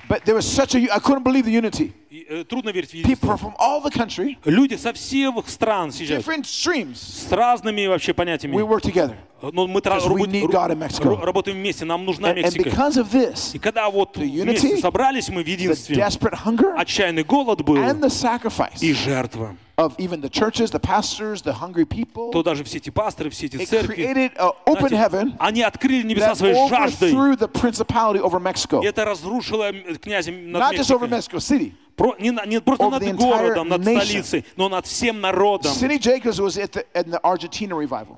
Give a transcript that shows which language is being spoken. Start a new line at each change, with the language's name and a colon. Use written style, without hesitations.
English: But there was such a I couldn't believe the unity.
Russian: Трудно верить в единство.
English: People from all the country,
Russian: люди со всех стран съезжают.
English: Different streams,
Russian: с разными вообще понятиями.
English: We work together.
Russian: Но мы работаем вместе, нам нужна
English: and,
Russian: Мексика.
English: And because of this,
Russian: и когда вот
English: unity,
Russian: вместе собрались мы в единстве,
English: the desperate hunger,
Russian: отчаянный голод был
English: and the sacrifice,
Russian: и жертва.
English: Of even the churches, the pastors, the hungry people.
Russian: То даже все эти пасторы, все эти церкви.
English: It created an open heaven.
Russian: Они открыли небеса своей жаждой.
English: That overthrew the principality over Mexico.
Russian: Это разрушило князя над Мексикой.
English: Not just over Mexico City.
Russian: Не просто над городом, над столицей, но над всем народом.
English: Cindy Jacobs was at the Argentina revival.